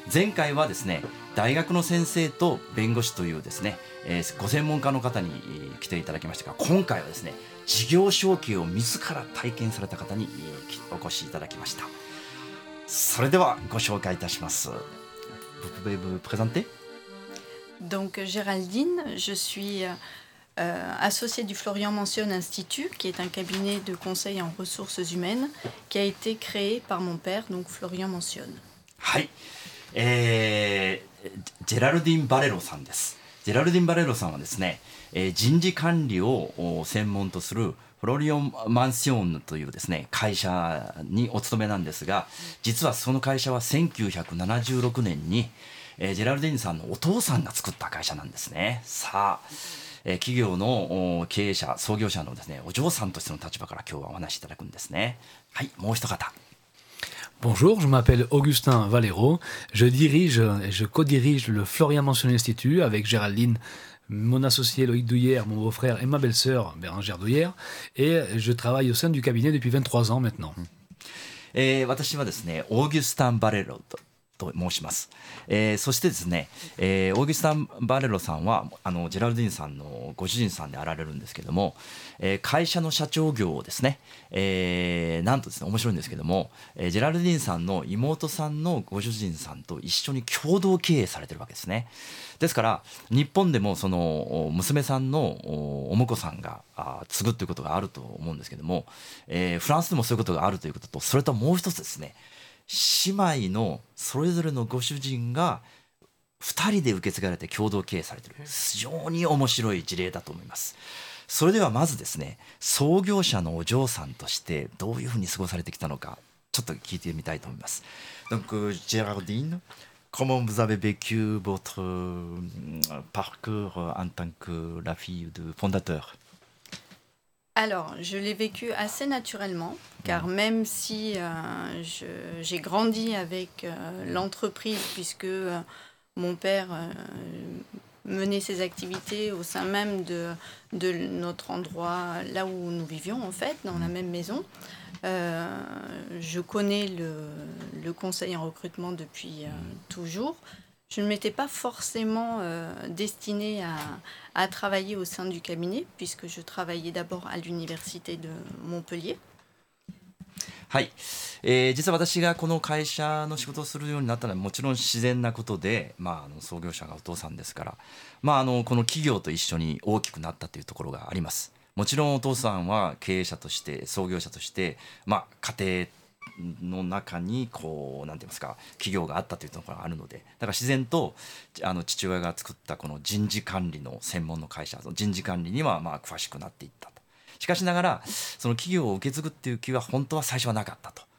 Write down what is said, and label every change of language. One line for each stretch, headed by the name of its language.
Japanese: 前回はですね、大学の先生と弁護士というですね、ご専門家の方に来ていただきましたが、今回はですね、事業承継を自ら体験された方にお越しいただきました。それではご紹介いたします。
French: Vous pouvez vous présenter? Donc Géraldine, je suis associée du Florian Mentione Institut, qui est un cabinet de conseil en ressources humaines qui a été créé par mon père, donc Florian Mentione.
Japanese: はい、ジェラルディン・バレロさんです。ジェラルディン・バレロさんはですね、人事管理を専門とするフロリオン・マンシオンというですね、会社にお勤めなんですが、実はその会社は1976年に、ジェラルディンさんのお父さんが作った会社なんですね。さあ、企業の経営者、創業者のですね、お嬢さんとしての立場から今日はお話しいただくんですね。はい、もう一方。
French: Bonjour, je m'appelle Augustin Valero. Je dirige et je co-dirige le Florian Mentione Institut avec Géraldine, mon associé Loïc Douillère, mon beau-frère et ma belle-sœur Bérangère Douillère. Et je travaille au sein du cabinet depuis 23 ans maintenant.
Japanese: Et 私はですね、Augustin Valero と申します。そしてですね、Augustin Valero さんはジェラルディンさんのご主人さんであられるんですけども、会社の社長業をですね、なんとですね、面白いんですけども、ジェラルディンさんの妹さんのご主人さんと一緒に共同経営されてるわけですね。ですから日本でもその娘さんのお婿さんが継ぐということがあると思うんですけども、フランスでもそういうことがあるということと、それともう一つですね、姉妹のそれぞれのご主人が2人で受け継がれて共同経営されている、非常に面白い事例だと思います。それではまずですね、創業者のお嬢さんとしてどういうふうに過ごされてきたのか、ちょっと聞いてみたいと思います。
French: Donc, Géraldine, comment vous avez vécu votre parcours en tant que la fille du fondateur? Alors, je l'ai vécu assez naturellement, car même si j'ai grandi avec l'entreprise, puisque mon père menait ses activités au sein même de notre endroit, là où nous vivions en fait, dans la même maison. Je connais le conseil en recrutement depuis toujours. Je ne m'étais pas forcément destinée à travailler au sein du cabinet, puisque je travaillais d'abord à l'université de Montpellier.
Japanese: はい、実は私がこの会社の仕事をするようになったのはもちろん自然なことで、まあ、創業者がお父さんですから、まあ、この企業と一緒に大きくなったというところがあります。もちろんお父さんは経営者として、創業者として、まあ、家庭の中にこう、なんて言いますか、企業があったというところがあるので、だから自然と父親が作ったこの人事管理の専門の会社、人事管理にはまあ詳しくなっていった。しかしながら、その企業を受け継ぐっていう気は本当は最初はなかったと。